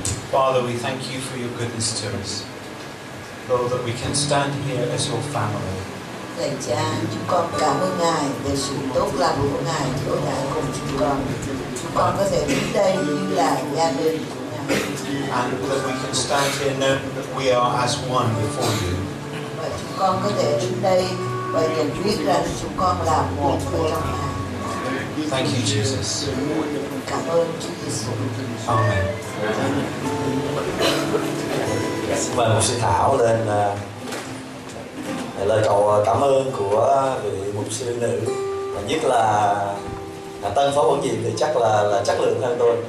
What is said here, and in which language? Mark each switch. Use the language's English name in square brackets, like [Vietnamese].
[English] Father, we thank you for your goodness to us. Lord, that we can stand here as your family. [Vietnamese] Lạy Cha, chúng con cảm ơn Ngài về sự tốt lành của Ngài đối đãi cùng chúng con. Chúng con có thể đứng đây như là gia đình của Ngài. [English] And that we can stand here knowing that we are as one before you. [Vietnamese] Và chúng con có thể đứng đây và nhận biết rằng chúng con là một trong Ngài. [English] Thank you, Jesus. [Vietnamese] Cảm ơn Chúa Giêsu. [English] Amen. [Vietnamese] Mời mục sư Thảo lên lời cầu cảm ơn của vị mục sư nữ, và nhất là Tân Phó Huấn Nhiệm thì chắc là chất lượng hơn tôi.